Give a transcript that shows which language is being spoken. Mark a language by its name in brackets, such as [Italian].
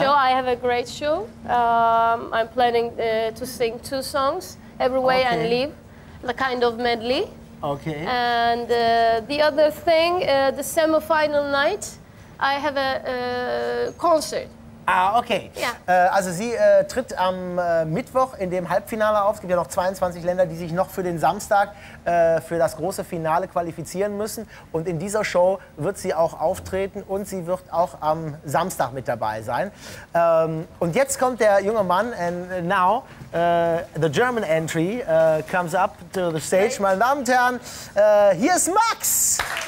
[English] show, I have a great show. I'm planning to sing two songs, Every Way okay. and Leave, the kind of medley. Okay. And the other thing, the semi-final night, I have a concert. Ah, okay. Yeah. [German] Also sie tritt am Mittwoch in dem Halbfinale auf. Es gibt ja noch 22 Länder, die sich noch für den Samstag für das große Finale qualifizieren müssen. Und in dieser Show wird sie auch auftreten und sie wird auch am Samstag mit dabei sein. Und jetzt kommt der junge Mann. [English] And now the German entry comes up to the stage. [German] Okay. Meine Damen und Herren, hier ist Max!